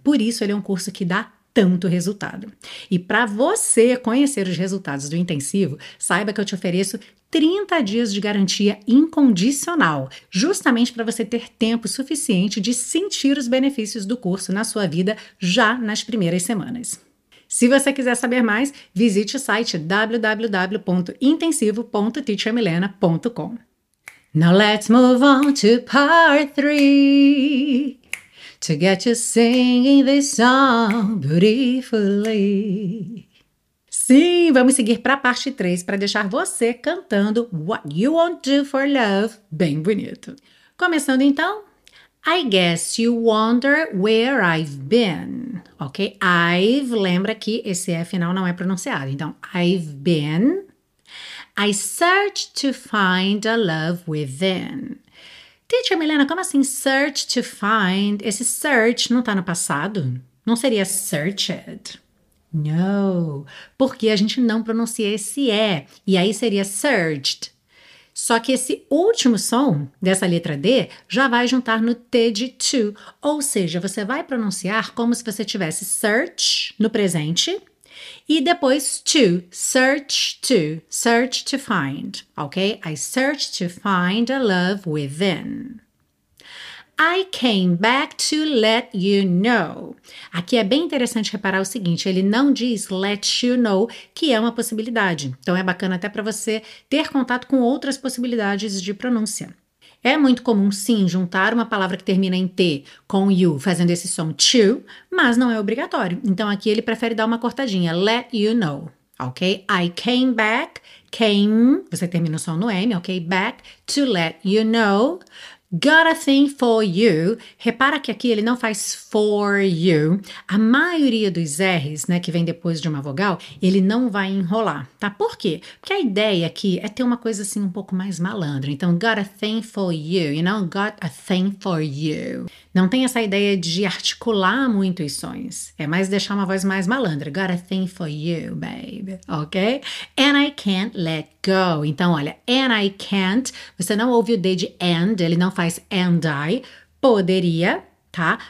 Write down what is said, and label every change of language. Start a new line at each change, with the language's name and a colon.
Portuguese: Por isso, ele é um curso que dá tanto resultado. E para você conhecer os resultados do Intensivo, saiba que eu te ofereço 30 dias de garantia incondicional, justamente para você ter tempo suficiente de sentir os benefícios do curso na sua vida já nas primeiras semanas. Se você quiser saber mais, visite o site www.intensivo.teachermilena.com.
English: Now let's move on to part 3, to get you singing this song beautifully.
Portuguese: Sim, vamos seguir para a parte 3 para deixar você cantando What You Won't Do For Love bem bonito. Começando então,
English: I guess you wonder where I've been,
Portuguese: ok? I've, lembra que esse é final não é pronunciado, então I've been.
English: I search to find a love within.
Portuguese: Teacher Milena, como assim search to find? Esse search não está no passado? Não seria searched? No, porque a gente não pronuncia esse E, e aí seria searched. Só que esse último som dessa letra D já vai juntar no T de to, ou seja, você vai pronunciar como se você tivesse search no presente, e depois to, search to find, ok?
English: I search to find a love within. I came back to let you know.
Portuguese: Aqui é bem interessante reparar o seguinte, ele não diz let you know, que é uma possibilidade. Então é bacana até para você ter contato com outras possibilidades de pronúncia. É muito comum, sim, juntar uma palavra que termina em T com you, fazendo esse som to, mas não é obrigatório. Então, aqui ele prefere dar uma cortadinha, let you know, ok?
English: I came back,
Portuguese: came, você termina o som no M, ok?
English: Back to let you know, got a thing for you.
Portuguese: Repara que aqui ele não faz for you. A maioria dos R's, né, que vem depois de uma vogal, ele não vai enrolar, tá? Por quê? Porque a ideia aqui é ter uma coisa assim um pouco mais malandra.
English: Então, got a thing for you, you know, got a thing for you.
Portuguese: Não tem essa ideia de articular muito os sons. É mais deixar uma voz mais malandra.
English: Got a thing for you, baby,
Portuguese: ok?
English: And I can't let go.
Portuguese: Então, olha, and I can't, você não ouve o D de and, ele não faz and I, poderia, tá?